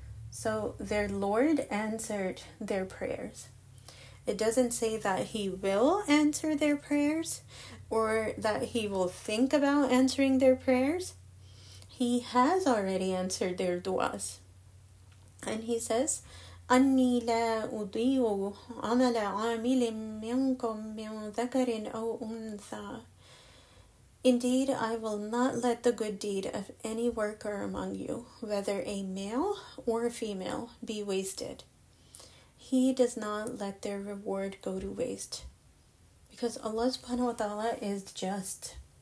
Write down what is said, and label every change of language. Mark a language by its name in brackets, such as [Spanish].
[English] So their Lord answered their prayers. It doesn't say that He will answer their prayers or that He will think about answering their prayers. He has already answered their du'as. And he says, [Arabic] أَنِّي لَا أُضِيعُ عَمَلَ عَامِلٍ مِّنْكُمْ مِّنْ ذَكَرٍ أَوْ أُنثَى. [English] Indeed, I will not let the good deed of any worker among you, whether a male or a female, be wasted. He does not let their reward go to waste. Because Allah subhanahu wa ta'ala is just.